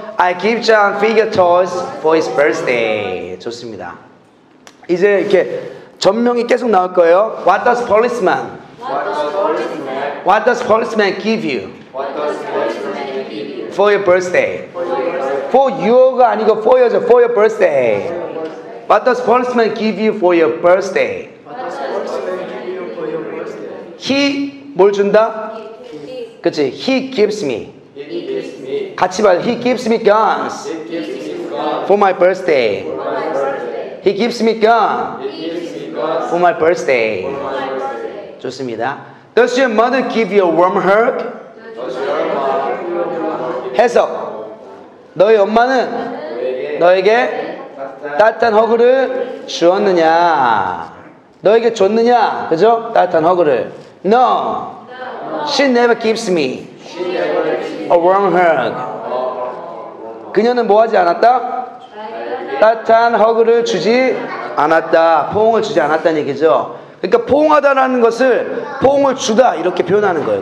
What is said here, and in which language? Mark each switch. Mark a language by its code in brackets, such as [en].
[en] I give John figure toys for his birthday. [ko] 좋습니다. 이제 이렇게 전명이 계속 나올 거예요. [en] What does policeman? What does policeman? What does policeman give you? What does policeman give you? For your birthday. For your birthday. For your [ko] 가 아니고 [en] for your [ko] 죠. [en] For your birthday. For your birthday. What does policeman give you for your birthday? What does policeman give you for your birthday? He [ko] 뭘 준다? [en] He. [ko] 그치? [en] He gives me. He gives me. [ko] 같이 말. [en] He gives me guns. He gives me guns. For my birthday. For my birthday. He gives me guns. He gives me guns. For my birthday. For my birthday. [ko] 좋습니다. [en] Does your mother give you a warm hug? Does your mother give you a warm hug? [ko] 해석. 너의 엄마는 너에게 따뜻한 허그를 주었느냐? 너에게 줬느냐? 그죠? 따뜻한 허그를. [en] No. She never gives me a warm hug. [ko] 그녀는 뭐 하지 않았다? 따뜻한 허그를 주지 않았다. 포옹을 주지 않았다는 얘기죠. 그러니까 포옹하다라는 것을 포옹을 주다 이렇게 표현하는 거예요.